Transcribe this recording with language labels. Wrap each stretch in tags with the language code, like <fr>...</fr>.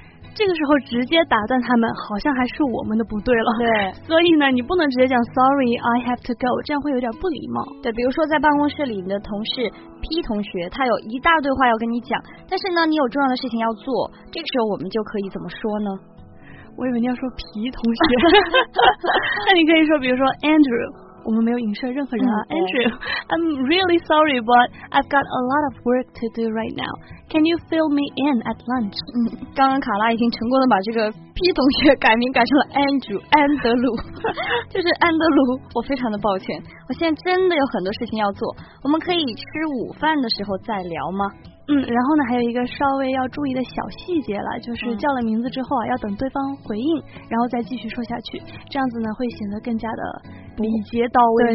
<zh>这个时候直接打断他们好像还是我们的不对了。对，所以呢你不能直接讲</zh> <en>sorry I have to go,</en> <zh>这样会有点不礼貌。对，比如说在办公室里你的同事 P 同学他有一大堆话要跟你讲，但是呢你有重要的事情要做，这个时候我们就可以怎么说呢？我以为你要说皮同学。那你可以说比如说</zh> <en>Andrew,</en> <zh>我们没有影射任何人啊、</zh> <en>Andrew, I'm really sorry but I've got a lot of work to do right now. Can you fill me in at lunch?</en> <zh>刚刚卡拉已经成功的把这个 P 同学改名改成了 Andrew, 安德鲁。就是安德鲁，我非常的抱歉，我现在真的有很多事情要做，我们可以吃午饭的时候再聊吗？然后呢还有一个稍微要注意的小细节了，就是叫了名字之后啊，要等对方回应然后再继续说下去，这样子呢会显得更加的礼节到位。</zh>